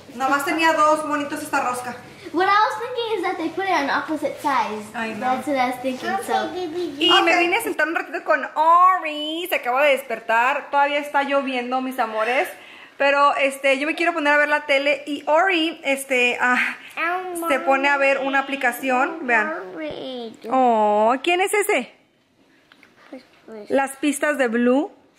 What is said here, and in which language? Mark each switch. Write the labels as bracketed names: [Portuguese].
[Spanish] Nada más tenía dos monitos esta rosca. [English] What I was thinking is that they put it on opposite sides. That's what I was thinking, so. [Spanish] Y okay. Me vine a sentar un ratito con Ori. Se acaba de despertar. Todavía está lloviendo, mis amores. Pero yo me quiero poner a ver la tele y Ori se pone a ver una aplicación. Vean. Oh, ¿quién es ese? Las pistas de Blue.